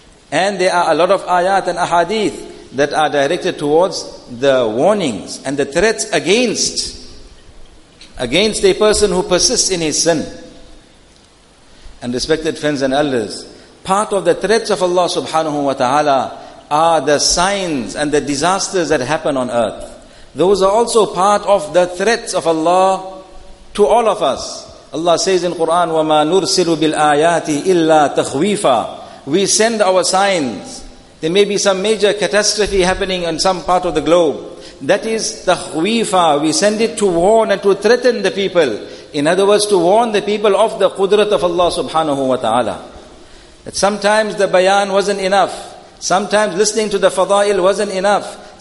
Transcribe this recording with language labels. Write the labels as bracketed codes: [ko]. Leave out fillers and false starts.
[en] And there are a lot of ayat and ahadith that are directed towards the warnings and the threats against a person who persists in his sin. And respected friends and elders, part of the threats of Allah subhanahu wa ta'ala are the signs and the disasters that happen on earth. Those are also part of the threats of Allah to all of us. Allah says in Quran, [ar] وَمَا نُرْسِلُ بِالْآيَاتِ إِلَّا تَخْوِيفًا. [en] We send our signs. There may be some major catastrophe happening in some part of the globe. That is the khwifa. We send it to warn and to threaten the people. In other words, to warn the people of the qudrat of Allah subhanahu wa ta'ala. That sometimes the bayan wasn't enough. Sometimes listening to the fada'il wasn't enough.